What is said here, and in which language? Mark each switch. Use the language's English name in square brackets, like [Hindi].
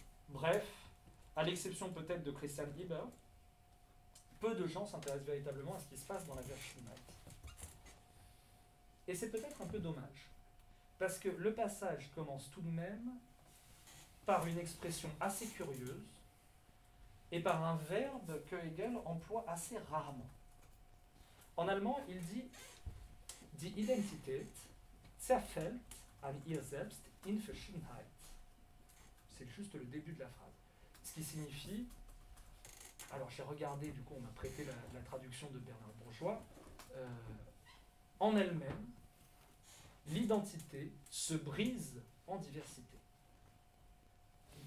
[French] Bref, à l'exception peut-être de Christian Lieber, peu de gens s'intéressent véritablement à ce qui se passe dans la Werkstattmatt. Et c'est peut-être un peu dommage, parce que le passage commence tout de même par une expression assez curieuse et par un verbe que Hegel emploie assez rarement. En allemand, il dit [German] « Die Identität zerfällt an ihr selbst in Verschiedenheit ». [French] C'est juste le début de la phrase. Ce qui signifie, alors j'ai regardé, du coup on m'a prêté la traduction de Bernard Bourgeois, « En elle-même, l'identité se brise en diversité ».